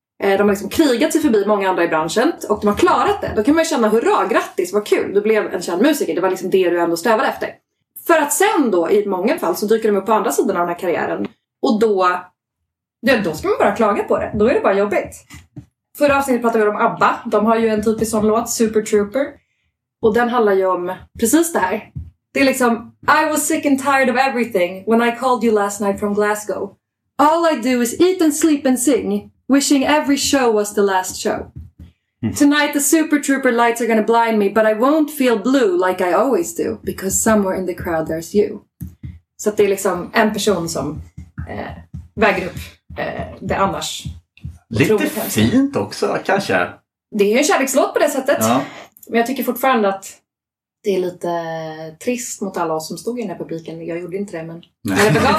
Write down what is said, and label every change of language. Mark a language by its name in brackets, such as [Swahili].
[Swedish] De har liksom krigat sig förbi många andra i branschen och de har klarat det. Då kan man ju känna hurra, grattis, vad kul, du blev en känd musiker. Det var liksom det du ändå strävade efter. För att sen då, i många fall, så dyker de upp på andra sidan av den här karriären. Och då ska man bara klaga på det. Då är det bara jobbigt. Förra avsnittet pratade vi om ABBA. De har ju en typisk sån låt, Super Trooper. Och den handlar ju om precis det här. Det är liksom, [English] I was sick and tired of everything when I called you last night from Glasgow. All I do is eat and sleep and sing, wishing every show was the last show. Tonight the Super Trooper lights are gonna blind me, but I won't feel blue like I always do, because somewhere in the crowd there's you. [Swedish] Så det är liksom en person som väger upp det annars Lite fint också, kanske. Det är ju en kärlekslåt på det sättet. Ja. Men jag tycker fortfarande att det är lite trist mot alla oss som stod i den här publiken. Jag gjorde inte det, men nej.